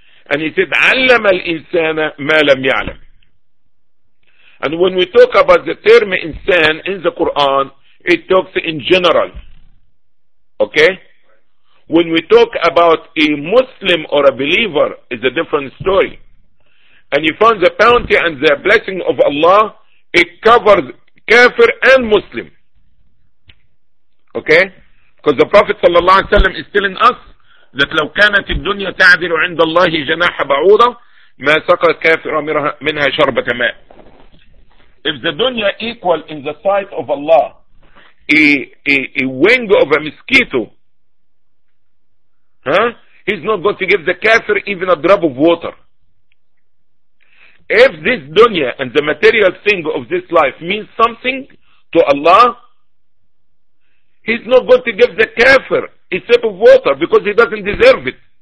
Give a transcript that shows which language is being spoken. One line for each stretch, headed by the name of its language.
English: And he said,
Arabic: allam al-insana ma lam ya'lam.
English: And when we talk about the term insan in the Quran, it talks in general. Okay? When we talk about a Muslim or a believer, it's a different story. And you find the bounty and the blessing of Allah, it covers kafir and Muslim. Okay? Because the Prophet sallallahu alaihi wasallam is telling us that
Arabic: لو كانت الدنيا تعدل عند الله جناح بعوضة ما سقى كافر منها شربة ماء.
English: If the dunya equal in the sight of Allah a wing of a mosquito, huh? He's not going to give the kafir even a drop of water. If this dunya and the material thing of this life means something to Allah, he's not going to give the kafir a sip of water because he doesn't deserve it.